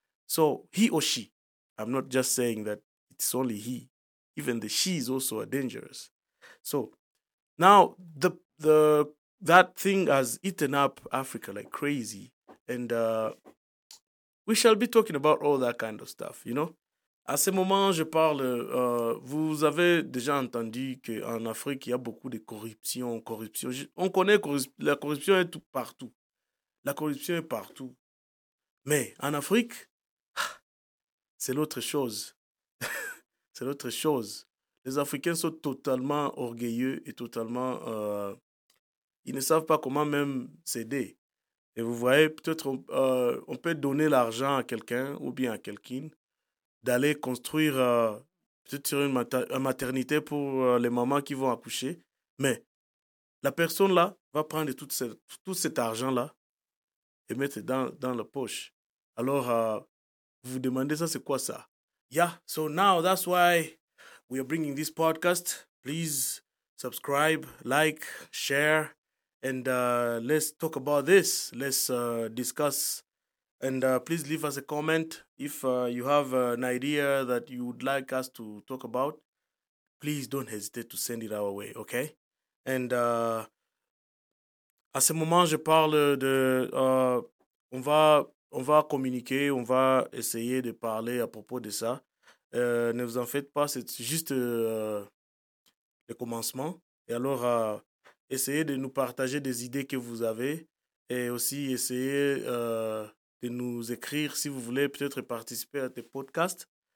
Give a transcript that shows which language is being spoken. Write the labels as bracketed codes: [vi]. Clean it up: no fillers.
[en] So he or she, I'm not just saying that it's only he, even the she's also are dangerous. So now that thing has eaten up Africa like crazy. And we shall be talking about all that kind of stuff, you know? [fr] À ce moment, je parle, vous avez déjà entendu qu'en Afrique, il y a beaucoup de corruption, corruption. On connaît la corruption est tout partout. La corruption est partout. Mais en Afrique, c'est l'autre chose. C'est l'autre chose. Les Africains sont totalement orgueilleux et totalement. Ils ne savent pas comment même s'aider. Et vous voyez, peut-être on peut donner l'argent à quelqu'un ou bien à quelqu'une d'aller construire peut-être une maternité pour les mamans qui vont accoucher. Mais la personne-là va prendre tout cet argent-là et mettre dans la poche. Alors, vous vous demandez ça, c'est quoi ça? [en] Yeah, so now that's why we are bringing this podcast. Please subscribe, like, share. And let's talk about this. Let's discuss. And please leave us a comment if you have an idea that you would like us to talk about. Please don't hesitate to send it our way, okay? And [fr] À ce moment, je parle de. On va communiquer, on va essayer de parler à propos de ça. Ne vous en faites pas, c'est juste le commencement. Et alors, essayez de nous partager des idées que vous avez et aussi essayez de nous écrire si vous voulez peut-être participer à tes podcasts.